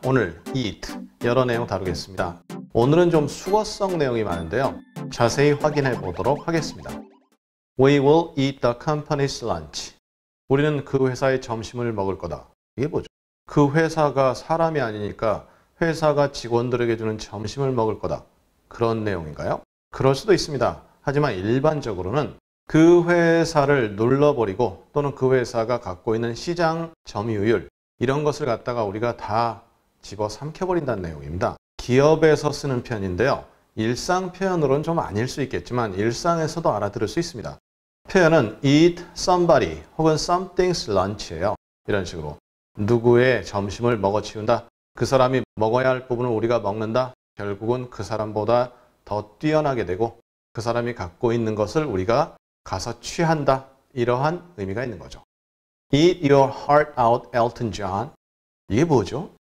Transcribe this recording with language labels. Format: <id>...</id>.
<ko>오늘 EAT 여러 내용 다루겠습니다. 오늘은 좀 수거성 내용이 많은데요. 자세히 확인해 보도록 하겠습니다.</ko> <en>We will eat the company's lunch.</en> <ko>우리는 그 회사의 점심을 먹을 거다. 이게 뭐죠? 그 회사가 사람이 아니니까 회사가 직원들에게 주는 점심을 먹을 거다. 그런 내용인가요? 그럴 수도 있습니다. 하지만 일반적으로는 그 회사를 눌러버리고 또는 그 회사가 갖고 있는 시장 점유율 이런 것을 갖다가 우리가 다 집어삼켜버린다는 내용입니다. 기업에서 쓰는 표현인데요. 일상 표현으로는 좀 아닐 수 있겠지만 일상에서도 알아들을 수 있습니다. 표현은</ko> <en>eat somebody</en> <ko>혹은</ko> <en>something's lunch예요.</en> <ko>이런 식으로 누구의 점심을 먹어치운다. 그 사람이 먹어야 할 부분을 우리가 먹는다. 결국은 그 사람보다 더 뛰어나게 되고 그 사람이 갖고 있는 것을 우리가 가서 취한다. 이러한 의미가 있는 거죠.</ko> <en>Eat your heart out, Elton John.</en> <ko>이게 뭐죠?</ko>